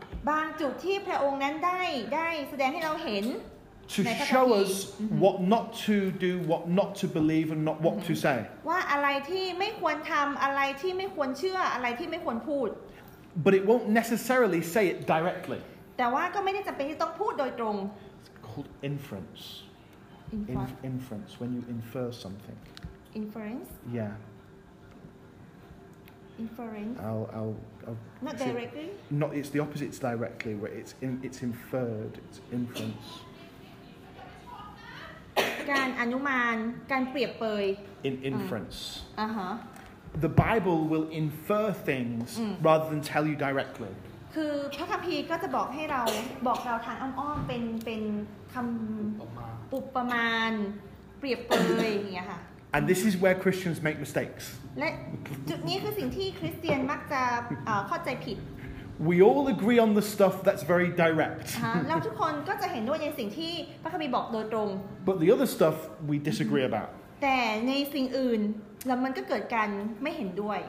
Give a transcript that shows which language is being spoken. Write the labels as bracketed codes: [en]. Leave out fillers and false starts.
[th] บางจุดที่พระองค์นั้นได้แสดงให้เราเห็น [en] To show us what not to do, what not to believe, and not what to say. [th] What อะไรที่ไม่ควรทำ อะไรที่ไม่ควรเชื่อ อะไรที่ไม่ควรพูด [en] But it won't necessarily say it directly. [th] แต่ว่าก็ไม่ได้จำเป็นที่ต้องพูดโดยตรง [en] It's called inference. Inference when you infer something. Inference. Yeah. Inference. I'll not directly. Not it's the opposite. It's directly where it's inferred. It's inference. [th] การอนุมานการเปรียบเปย [en] In inference uh-huh. The Bible will infer things uh-huh. rather than tell you directly [th] คือพระคัมภีร์ก็จะบอกให้เราบอกเราทางอ้อมๆเป็นคำ อุปมาเปรียบเปยอย่างเงี้ยค่ะ [en] And this is where Christians make mistakes [th] และจุดนี้คือสิ่งที่คริสเตียนมักจะเข้าใจผิด [en] We all agree on the stuff that's very direct. [th] เราทุกคนก็จะเห็นด้วยในสิ่งที่พระคัมภีร์บอกโดยตรง [en] But the other stuff we disagree about. [th] แต่ในสิ่งอื่นแล้วมันก็เกิดการไม่เห็นด้วย